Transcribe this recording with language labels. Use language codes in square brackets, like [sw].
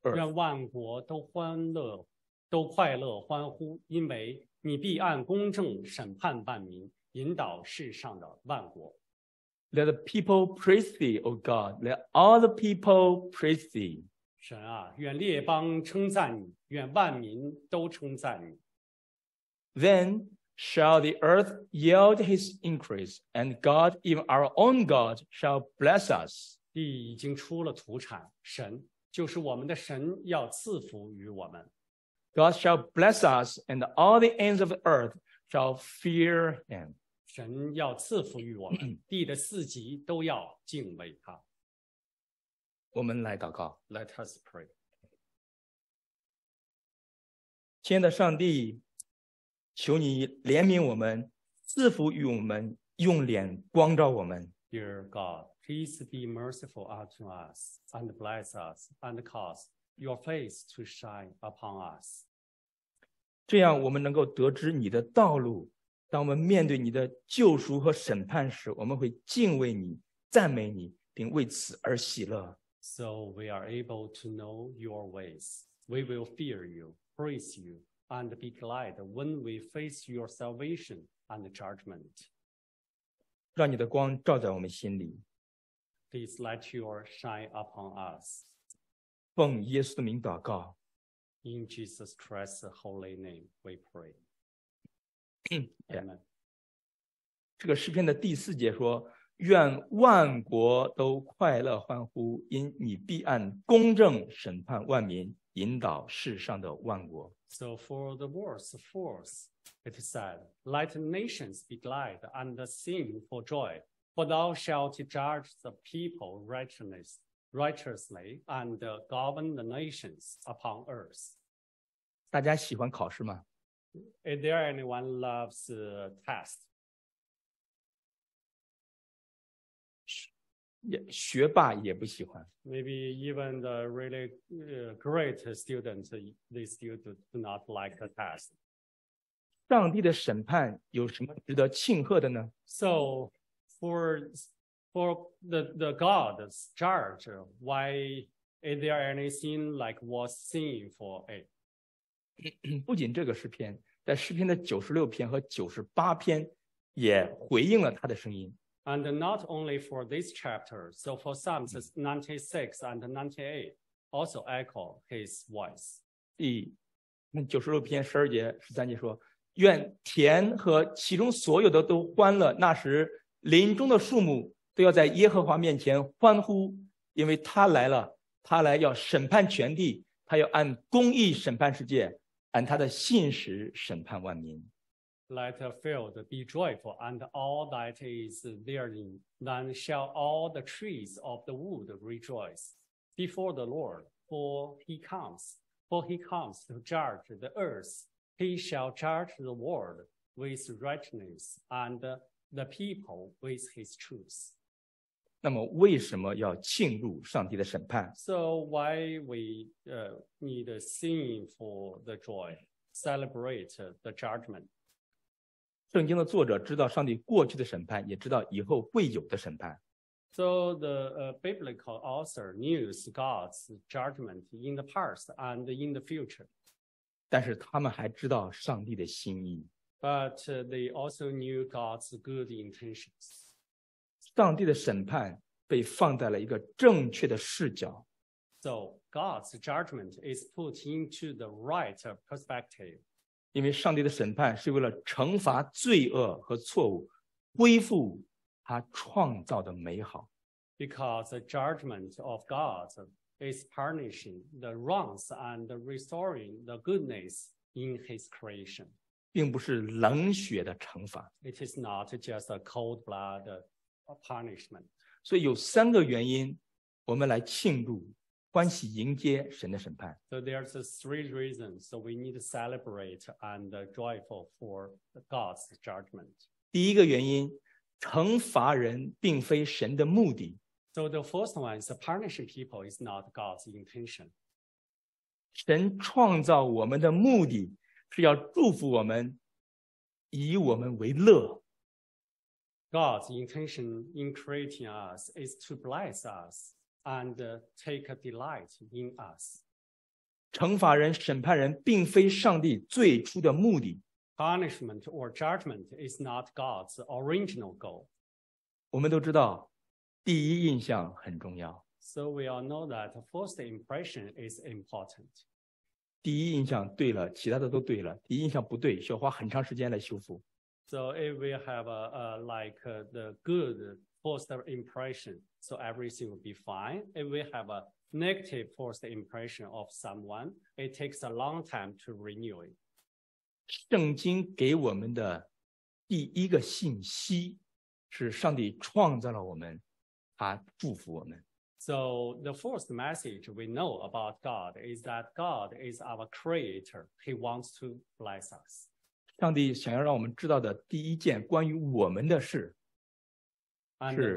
[zh] 愿万国都欢乐，都快乐欢呼，因为你必按公正审判万民，引导世上的万国。 [en] Let the people praise thee, O God. Let all the people praise thee. [zh] 神啊，愿列邦称赞你，愿万民都称赞你。 [en] Then shall the earth yield his increase, and God, even our own God, shall bless us. [zh] 地已经出了土产，神就是我们的神要赐福于我们。 [en] God shall bless us, and all the ends of the earth shall fear him. [zh] 神要赐福于我们，地的四极都要敬畏他。我们来祷告。 [en] Let us pray. [zh] 亲爱的上帝，求你怜悯我们，赐福于我们，用脸光照我们。 [en] Dear God, please be merciful unto us and bless us and cause your face to shine upon us. [zh] 这样我们能够得知你的道路，当我们面对你的救赎和审判时，我们会敬畏你，赞美你，并为此而喜乐。 [en] So we are able to know your ways. We will fear you, praise you, and be glad when we face your salvation and judgment. [zh] 让你的光照在我们心里。 [en] Please let your shine upon us. [zh] 奉耶稣的名祷告。 [en] In Jesus Christ's holy name, we pray. Amen. [zh] 这个诗篇的第四节说，愿万国都快乐欢呼，因你必按公正审判万民，引导世上的万国。 [en] So for the verse 4, it said, Let nations be glad and sing for joy, for thou shalt judge the people righteously and govern the nations upon earth. [zh] 大家喜欢考试吗？ [en] Is there anyone loves test? [zh] 学霸也不喜欢。 [en] Maybe even the really great students, they still do not like the test. [zh] 上帝的审判有什么值得庆贺的呢？ [en] So, for the God's judge, why is there anything like worth singing for it? [zh] 不仅这个诗篇，在诗篇的96篇和98篇也回应了他的声音。 [en] And not only for this chapter, so for Psalms 96 and 98 also echo his voice. [zh] 第96篇12节13节说，愿田和其中所有的都欢乐，那时林中的树木都要在耶和华面前欢呼，因为他来了，他来要审判全地，他要按公义审判世界，按他的信实审判万民。 [en] Let the field be joyful, and all that is therein. Then shall all the trees of the wood rejoice before the Lord, for he comes. For he comes to judge the earth. He shall judge the world with righteousness, and the people with his truth. [zh] 那么为什么要庆祝上帝的审判？ [en] So why we need a singing for the joy, celebrate the judgment? [zh] 圣经的作者知道上帝过去的审判，也知道以后会有的审判。 [en] So the biblical author knows God's judgment in the past and in the future. [zh] 但是他们还知道上帝的心意。 [en] But they also knew God's good intentions. [zh] 上帝的审判被放在了一个正确的视角。 [en] So God's judgment is put into the right perspective. [zh] 因为上帝的审判是为了惩罚罪恶和错误，恢复他创造的美好。 [en] Because the judgment of God is punishing the wrongs and restoring the goodness in his creation. [zh] 并不是冷血的惩罚。 [en] It is not just a cold blood punishment. [zh] 所以有三个原因我们来庆祝欢喜迎接神的审判。 [en] So there's three reasons, so we need to celebrate and joyful for God's judgment. [zh] 第一个原因，惩罚人并非神的目的。 [en] So the first one is punishing people is not God's intention. [zh] 神创造我们的目的是要祝福我们，以我们为乐。 [en] God's intention in creating us is to bless us. And take a delight in us. [zh] 惩罚人、审判人并非上帝最初的目的。 [en] Punishment or judgment is not God's original goal. [zh] 我们都知道第一印象很重要。 [en] So we all know that first impression is important. [zh] 第一印象对了，其他的都对了。第一印象不对，需要花很长时间来修复。 [en] So if we have the good first impression, so everything will be fine. If we have a negative first impression of someone, it takes a long time to renew it. [zh] 圣经给我们的第一个信息是上帝创造了我们，他祝福我们。 [en] So the first message we know about God is that God is our creator. He wants to bless us. [zh] 上帝想要让我们知道的第一件关于我们的事是